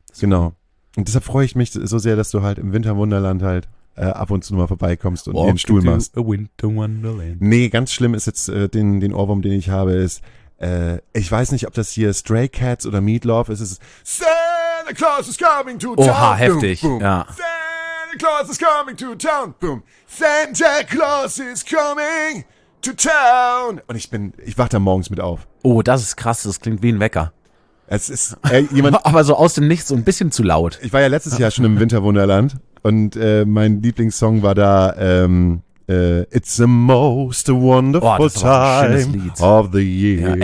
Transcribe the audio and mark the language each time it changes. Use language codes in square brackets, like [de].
[de] So. Genau. Und deshalb freue ich mich so sehr, dass du halt im Winterwunderland halt ab und zu mal vorbeikommst und den Stuhl machst. [en] A Winter Wonderland. [de] Nee, ganz schlimm ist jetzt den Ohrwurm, den ich habe, ist... ich weiß nicht, ob das hier Stray Cats oder Meatloaf ist. Es ist Santa Claus is coming to town. Oha, heftig. Boom, boom. Ja. [en] Santa Claus is coming to town. Boom. Santa Claus is coming to town. [de] Und ich wach da morgens mit auf. Oh, das ist krass. Das klingt wie ein Wecker. Es ist jemand. Aber so aus dem Nichts, so ein bisschen zu laut. Ich war ja letztes Jahr schon im Winterwunderland. Und mein Lieblingssong war da It's the most wonderful time of the year. Ja,